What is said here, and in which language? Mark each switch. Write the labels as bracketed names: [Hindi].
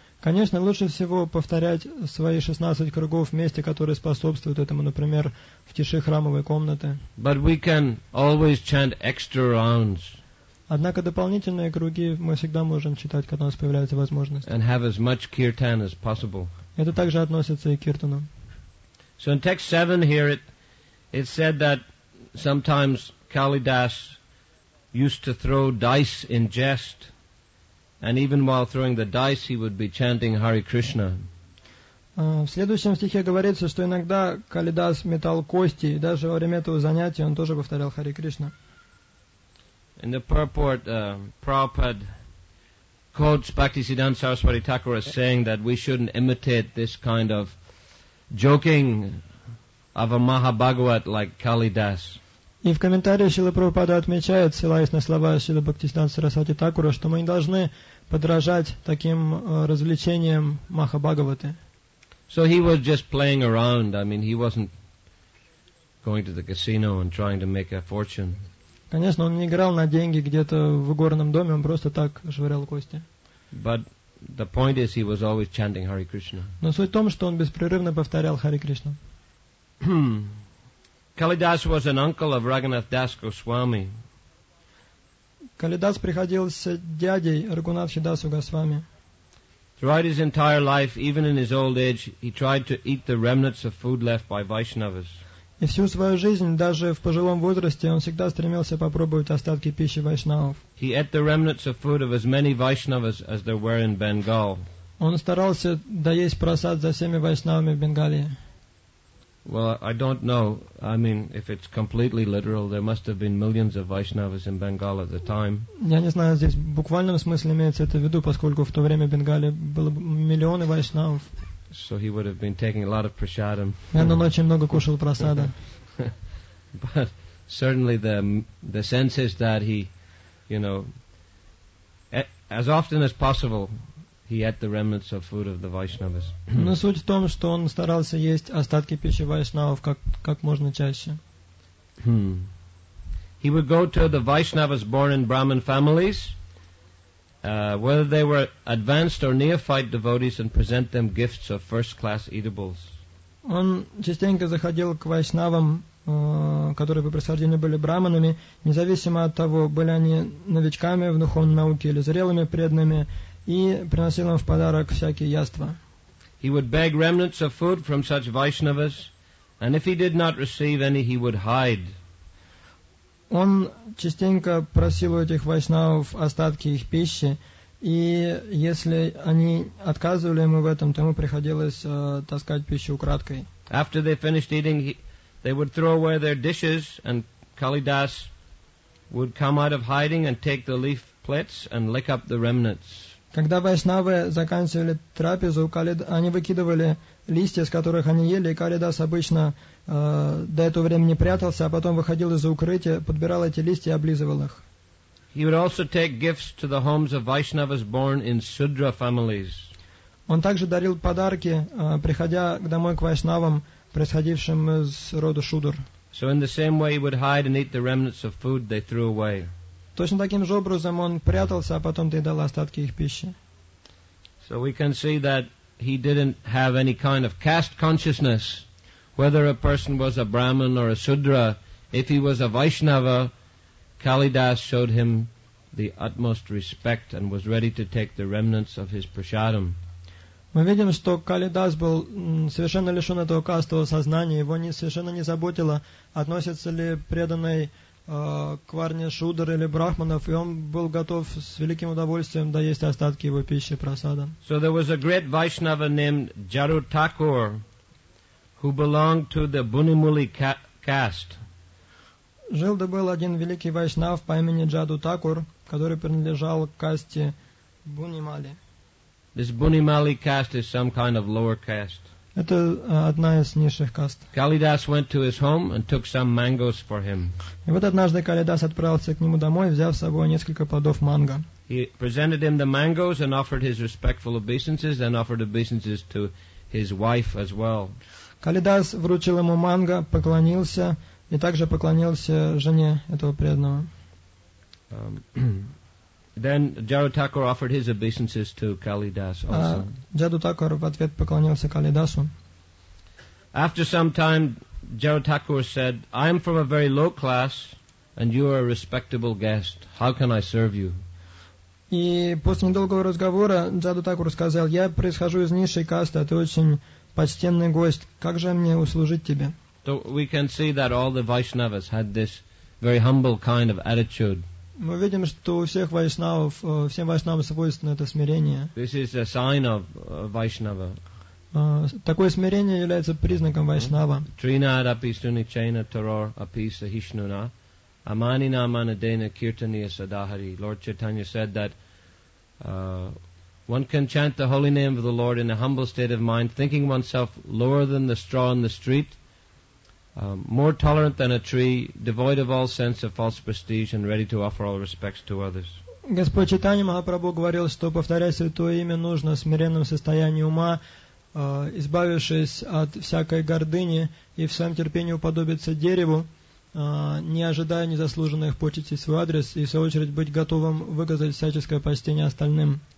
[Russian] Конечно, лучше всего повторять свои 16 кругов в месте, которое способствует этому, например, в тиши храмовой комнаты. [English] But we can always chant extra rounds. [Russian] Однако дополнительные круги мы всегда можем читать, когда у нас появляется возможность. [English] And have as much kirtan as possible. [Russian] Это также относится и к киртану. [English] So in text 7 here it said that sometimes Kalidas used to throw dice in jest, and even while throwing the dice, he would be chanting Hare Krishna. [Russian] В следующем стихе говорится, что иногда Калидас метал кости, и даже во время этого занятия он тоже повторял Hare Krishna. [English] In the purport, Prabhupada quotes Bhaktisiddhanta Saraswati Thakur as saying that we shouldn't imitate this kind of joking of a Mahabhagavat like Kalidas. [Russian] И в комментарии Шрила Прабхупада отмечает, ссылаясь на слова Шрила Бхактисиддханты Сарасвати Такура, что мы не должны подражать таким развлечениям Махабхагаваты. [English] So he was just playing around. I mean, he wasn't going to the casino and trying to make a fortune. [Russian] Конечно, он не играл на деньги где-то в горном доме, он просто так швырял кости. [English] But the point is, he was always chanting Hare Krishna. [Russian] Но суть в том, что он беспрерывно повторял Hare Krishna. [English] Kalidas was an uncle of Raghunath Das Goswami. [Russian] Kalidas приходился дядей Рагунатхи Дасу Госвами. [English] Throughout his entire life, even in his old age, he tried to eat the remnants of food left by Vaishnavas. [Russian] И всю свою жизнь, даже в пожилом возрасте, он всегда стремился попробовать остатки пищи вайшнавов. [English] He ate the remnants of food of as many Vaishnavas as there were in Bengal. [Russian] Он старался доесть просад за всеми вайшнавами в Бенгалии. [English] Well, I don't know. I mean, if it's completely literal, there must have been millions of Vaishnavas in Bengal at the time. [Russian] Я не знаю, здесь в буквальном смысле имеется это в виду, поскольку в то время в Бенгалии было миллионы вайшнавов. [English] So he would have been taking a lot of prasadam. [Russian] Наверное, он очень много кушал прасада. [English] But certainly the sense is that he, you know, as often as possible, he ate the remnants of food of the Vaishnavas. [Russian] Но суть в том, что он старался есть остатки пищи вайшнавов как можно чаще. [English] He would go to the Vaishnavas born in Brahmin families, whether they were advanced or neophyte devotees, and present them gifts of first-class eatables. [Russian] Он частенько заходил к вайшнавам, которые по происхождению были браманами, независимо от того, были они новичками в духовной науке или зрелыми преданными, и приносил им в подарок всякие яства. [English] He would beg remnants of food from such Vaishnavas, and if he did not receive any, he would hide. [Russian] Он частенько просил у этих вайшнавов остатки их пищи, и если они отказывали ему в этом, то ему приходилось таскать пищу украдкой. [English] After they finished eating, they would throw away their dishes, and Kalidas would come out of hiding and take the leaf plates and lick up the remnants. [Russian] Когда вайшнавы заканчивали трапезу, они выкидывали листья, с которых они ели, и Калидас обычно до этого времени прятался, а потом выходил из-за укрытия, подбирал эти листья и облизывал их. [English] He would also take gifts to the homes of Vaishnavas born in Sudra families. [Russian] Он также дарил подарки, приходя домой к вайшнавам, происходившим из рода Шудр. [English] So in the same way he would hide and eat the remnants of food they threw away. [Russian] Точно таким же образом он прятался, а потом доедал остатки их пищи. [English] So we can see that he didn't have any kind of caste consciousness, whether a person was a Brahmin or a Sudra. If he was a Vaishnava, Kalidas showed him the utmost respect and was ready to take the remnants of his prasadam. [Russian] Мы видим, что Калидас был совершенно лишен этого кастового сознания. Его совершенно не заботило, относится ли преданный к варне шудр или брахманов, и он был готов с великим удовольствием доесть остатки его пищи прасада. [English] So there was a great Vaishnava named Jaru Thakur, who belonged to the Bunimuli caste. [Russian] Жил да был один великий вайшнав по имени Джаду Такур, который принадлежал к касте Бунимали. [English] This Bunimali caste is some kind of lower caste. [Russian] Это одна из низших каст. [English] Kalidas went to his home and took some mangoes for him. [Russian] И вот однажды Калидас отправился к нему домой, взяв с собой несколько плодов манго. [English] He presented him the mangoes and offered his respectful obeisances and offered obeisances to his wife as well. [Russian] Калидас вручил ему манго, поклонился и также поклонился жене этого преданного. [English] Then Jaru Thakur offered his obeisances to Kalidas also. [Russian] Jaru Thakur в ответ поклонился Калидасу. [English] After some time, Jaru Thakur said, "I am from a very low class, and you are a respectable guest. How can I serve you?" [Russian] И после недолгого разговора Jaru Thakur сказал, "Я происхожу из низшей касты, а ты очень почтенный гость. Как же мне услужить тебе?" [English] So we can see that all the Vaishnavas had this very humble kind of attitude. [Russian] Мы видим, что у всех вайшнавов, всем вайшнавам свойственно это смирение. [English] This is a sign of Vaishnava. [Russian] Такое смирение является признаком вайшнава. [Sanskrit] Trinad api stuni chena taror api sahishnuna amanina manadena kirtaniya sadahari. [English] Lord Chaitanya said that one can chant the holy name of the Lord in a humble state of mind, thinking oneself lower than the straw in the street, more tolerant than a tree, devoid of all sense of false prestige, and ready to offer all respects to others. [Russian] Господь Чайтанья Махапрабху говорил, что повторять святое имя нужно в смиренном состоянии ума, избавившись от всякой гордыни и в своем терпении уподобиться дереву, не ожидая незаслуженных почестей в свой адрес, и в свою очередь быть готовым выказать всяческое почтение остальным.